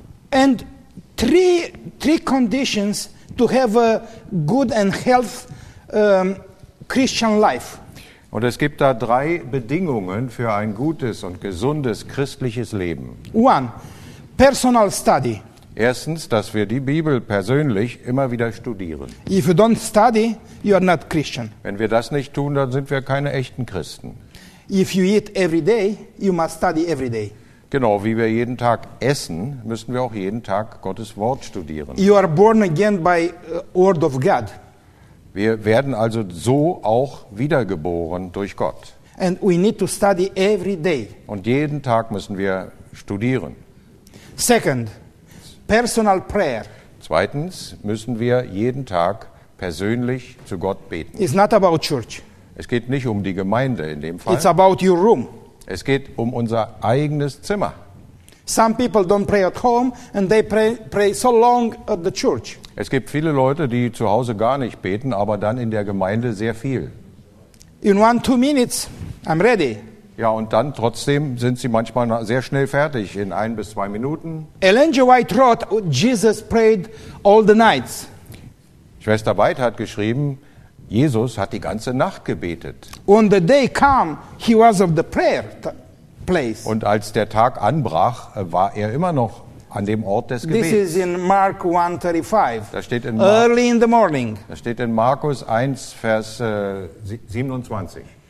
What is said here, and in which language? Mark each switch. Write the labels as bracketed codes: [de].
[en] And three conditions to have a good and healthy Christian life. [de] Und es gibt da drei Bedingungen für ein gutes und gesundes christliches Leben. [en] One, personal study. [de] Erstens, dass wir die Bibel persönlich immer wieder studieren. [en] If you don't study, you are not Christian. [de] Wenn wir das nicht tun, dann sind wir keine echten Christen. [en] If you eat every day, you must study every day. [de] Genau, wie wir jeden Tag essen, müssen wir auch jeden Tag Gottes Wort studieren. [en] You are born again by word of God. [de] Wir werden also so auch wiedergeboren durch Gott. [en] And we need to study every day. [de] Und jeden Tag müssen wir studieren. [en] Second, personal prayer. [de] Zweitens müssen wir jeden Tag persönlich zu Gott beten. [en] It's not about church. [de] Es geht nicht um die Gemeinde in dem Fall. [en] It's about your room. [de] Es geht um unser eigenes Zimmer. [en] Some people don't pray at home and they pray so long at the church. [de] Es gibt viele Leute, die zu Hause gar nicht beten, aber dann in der Gemeinde sehr viel. [en] In 1-2 minutes, I'm ready. [de] Ja, und dann trotzdem sind sie manchmal sehr schnell fertig, in 1 bis 2 Minuten. [en] Ellen G. White wrote, Jesus prayed all the nights. [de] Schwester White hat geschrieben, Jesus hat die ganze Nacht gebetet. [en] When the day came, he was of the prayer place. [de] Und als der Tag anbrach, war er immer noch an dem Ort des Gebets. [en] This is in Mark 1:35. [de] Das steht in [en] early in the morning. [de] Das steht in Markus 1, Vers 25.